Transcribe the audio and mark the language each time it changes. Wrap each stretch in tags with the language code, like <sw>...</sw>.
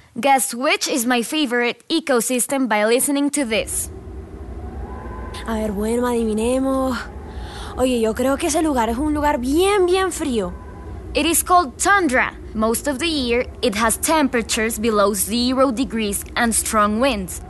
<en>Guess which is my favorite ecosystem by listening to this.</en> <es>A ver, bueno, adivinemos. Oye, yo creo que ese lugar es un lugar bien, bien frío.</es> <en>It is called tundra. Most of the year, it has temperatures below 0 degrees and strong winds.</en>